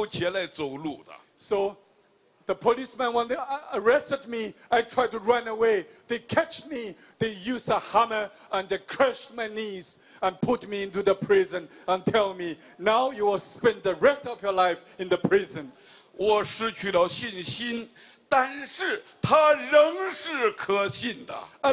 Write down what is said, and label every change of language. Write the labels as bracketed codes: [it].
[zh] 我第三次被关进监牢，两条腿被打断了，没有人，我自己也不相信我可能还能够起来走路的。 [en] So the policeman, when they arrested me, I tried to run away. They catch me. They use a hammer and they crush my knees and put me into the prison and tell me, now you will spend the rest of your life in the prison. [zh] 我失去了信心，但是他仍是可信的。 [en] I